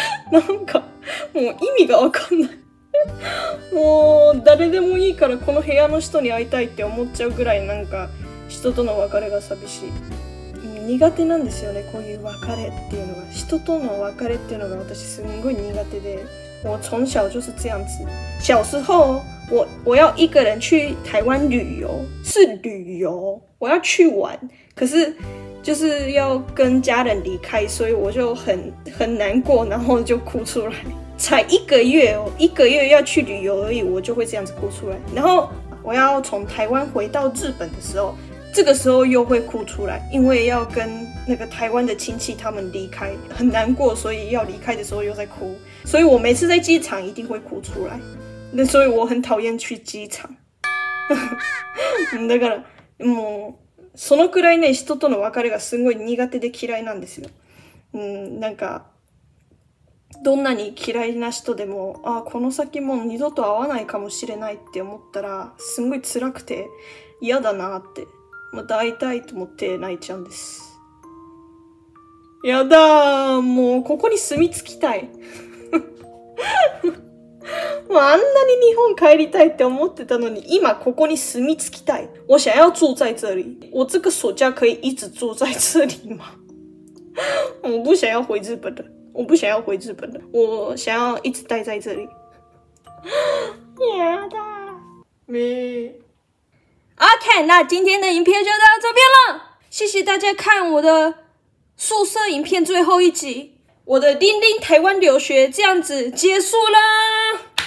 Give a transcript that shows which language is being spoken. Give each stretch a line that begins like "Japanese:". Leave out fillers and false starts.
Japanese: なんかもう意味が分かんない。もう誰でもいいからこの部屋の人に会いたいって思っちゃうくらい、なんか人との別れが寂しい。苦手なんですよね、こういう別れっていうのが、人との別れっていうのが私すんごい苦手で、
Chinese: 我从小就是这样子。小时候我要一个人去台湾旅游，是旅游，我要去玩，可是就是要跟家人离开，所以我就很难过，然后就哭出来。才一个月，一个月要去旅游而已，我就会这样子哭出来。然后我要从台湾回到日本的时候，这个时候又会哭出来，因为要跟那个台湾的亲戚他们离开，很难过，所以要离开的时候又在哭。所以我每次在机场一定会哭出来。那所以我很讨厌去机场。
Japanese: だからもうそのくらいね、人との別れがすごい苦手で嫌いなんですよ。うん、なんかどんなに嫌いな人でも、あ、この先もう二度と会わないかもしれないって思ったら、すごい辛くて嫌だなって。また会いたいと思って泣いちゃうんです。やだー、もうここに住み着きたいもうあんなに日本帰りたいって思ってたのに今ここに住み着きたい。
Chinese: 我想要住在这里，我这个暑假可以一直住在这里吗？我不想要回日本的，我不想要回日本的，我想要一直待在这里。
Japanese: やだ。咪。
Chinese: OK， 那今天的影片就到这边了，谢谢大家看我的宿舍影片最后一集，我的叮叮台湾留学这样子结束了。